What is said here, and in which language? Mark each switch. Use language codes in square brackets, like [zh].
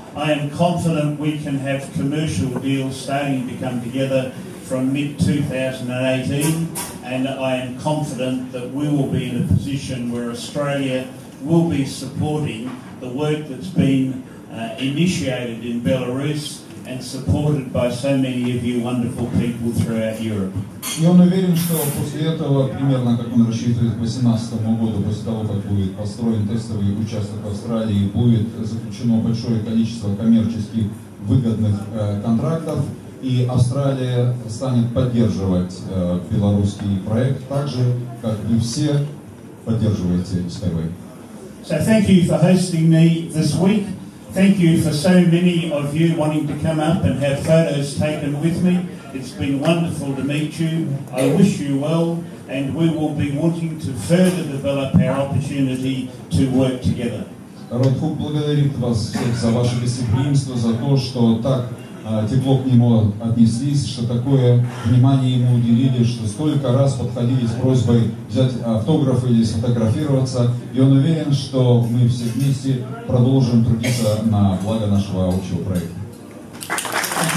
[en] I am confident we can have commercial deals starting to come together from mid-2018, and I am confident that we will be in a position where Australia will be supporting the work that's been initiated in Belarus and supported by so many of you wonderful people throughout Europe. [ru] И он уверен, что после этого, примерно как он рассчитывает к 2018 году, после того, как будет построен тестовый участок Австралии, будет заключено большое количество коммерчески выгодных контрактов, и Австралия станет поддерживать белорусский проект так же, как вы все поддерживаете Skyway. [en] So thank you for hosting me this week. Thank you for so many of you wanting to come up and have photos taken with me. It's been wonderful to meet you. I wish you well, and we will be wanting to further develop our opportunity to work together. [ru] Родхук благодарит вас всех за ваше гостеприимство, за то, что так тепло к нему отнеслись, что такое внимание ему уделили, что столько раз подходили с просьбой взять автограф или сфотографироваться, и он уверен, что мы все вместе продолжим трудиться на благо нашего общего проекта.